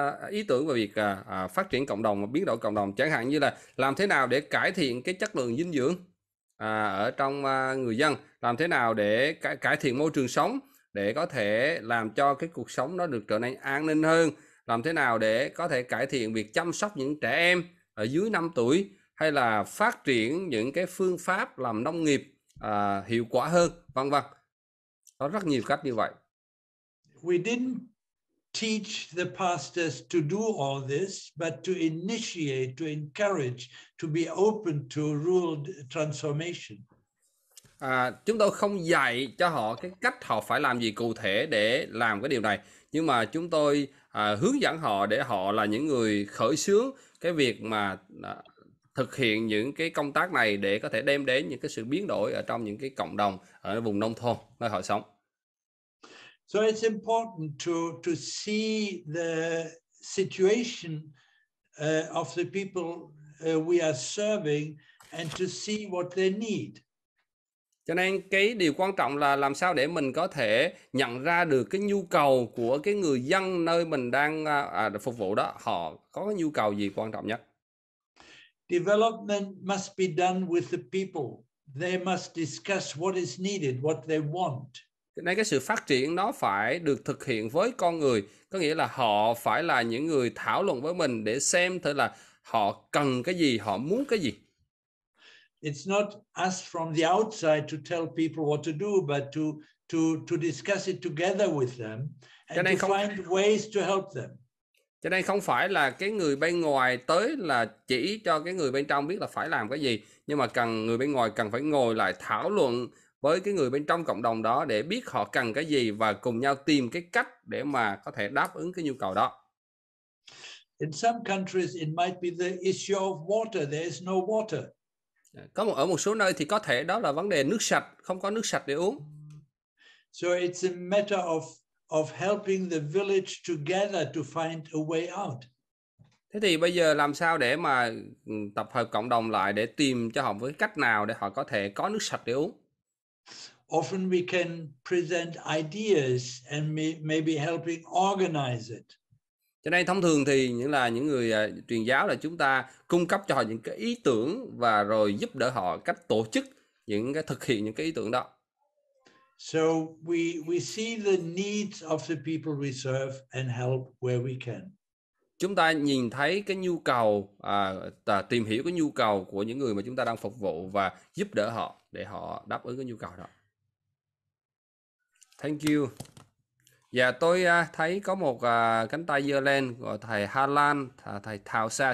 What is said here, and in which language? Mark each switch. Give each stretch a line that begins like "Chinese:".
Vietnamese: ý tưởng về việc phát triển cộng đồng và biến đổi cộng đồng, chẳng hạn như là làm thế nào để cải thiện cái chất lượng dinh dưỡng ở trong người dân, làm thế nào để cải thiện môi trường sống để có thể làm cho cái cuộc sống nó được trở nên an ninh hơn, làm thế nào để có thể cải thiện việc chăm sóc những trẻ em ở dưới 5 tuổi, hay là phát triển những cái phương pháp làm nông nghiệp hiệu quả hơn, vân vân. Có rất nhiều cách như vậy.
English: We didn't teach the pastors to do all this, but to initiate, to encourage, to be open to rural transformation.
Vietnamese: Chúng tôi không dạy cho họ cái cách họ phải làm gì cụ thể để làm cái điều này, nhưng mà chúng tôi hướng dẫn họ để họ là những người khởi xướng cái việc mà thực hiện những cái công tác này để có thể đem đến những cái sự biến đổi ở trong những cái cộng đồng ở vùng nông thôn nơi họ sống.
English: So it's important to see the situation of the people we are serving and to see what they need.
Vietnamese: Cho nên cái điều quan trọng là làm sao để mình có thể nhận ra được cái nhu cầu của cái người dân nơi mình đang phục vụ đó, họ có cái nhu cầu gì quan trọng nhất.
English: Development must be done with the people. They must discuss what is needed, what they want.
Vietnamese: Nên cái sự phát triển nó phải được thực hiện với con người, có nghĩa là họ phải là những người thảo luận với mình để xem thử là họ cần cái gì, họ muốn cái gì.
English: It's not us from the outside to tell people what to do, but to discuss it together with them and to find ways to help them.
Vietnamese: Cho nên không phải là cái người bên ngoài tới là chỉ cho cái người bên trong biết là phải làm cái gì, nhưng mà cần người bên ngoài cần phải ngồi lại thảo luận với cái người bên trong cộng đồng đó để biết họ cần cái gì và cùng nhau tìm cái cách để mà có thể đáp ứng cái nhu cầu đó.
English: In some countries it might be the issue of water, there is no water.
Vietnamese: Ở một số nơi thì có thể đó là vấn đề nước sạch, không có nước sạch để uống.
English: So it's a matter of helping the village together to find a way out.
Vietnamese: Thế thì bây giờ làm sao để mà tập hợp cộng đồng lại để tìm cho họ với cách nào để họ có thể có nước sạch để uống?
English: Often we can present ideas and maybe helping organize it.
Vietnamese: Cho nên thông thường thì những là những người truyền giáo là chúng ta cung cấp cho họ những cái ý tưởng và rồi giúp đỡ họ cách tổ chức những cái thực hiện những cái ý tưởng đó.
English: So we see the needs of the people we serve and help where we can.
Vietnamese: Chúng ta nhìn thấy cái nhu cầu tìm hiểu cái nhu cầu của những người mà chúng ta đang phục vụ và giúp đỡ họ để họ đáp ứng cái nhu cầu đó.
English: Thank you.
Vietnamese: Dạ, tôi thấy có một cánh tay giơ lên của thầy Hà Lan, thầy Thảo Sa.